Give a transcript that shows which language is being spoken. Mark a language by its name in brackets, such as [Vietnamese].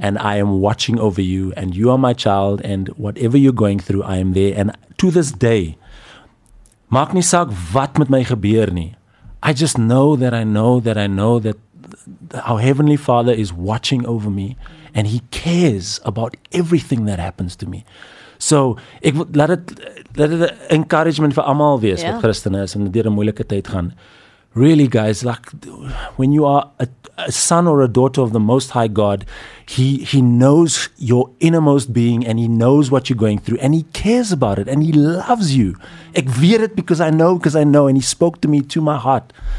[English] And I am watching over you and you are my child and whatever you're going through, I am there. And to this day, [Afrikaans] maak nie saak wat met my gebeur nie. [English] I just know that I know that our Heavenly Father is watching over me and He cares about everything that happens to me. [Afrikaans] So, ek laat het encouragement vir allemaal wees wat Christen is en deur 'n moeilike tyd gaan. [English] Really, guys, like when you are a son or a daughter of the Most High God, he knows your innermost being and he knows what you're going through and he cares about it and he loves you. [Afrikaans] Ek weet het [English] because I know and he spoke to me to my heart.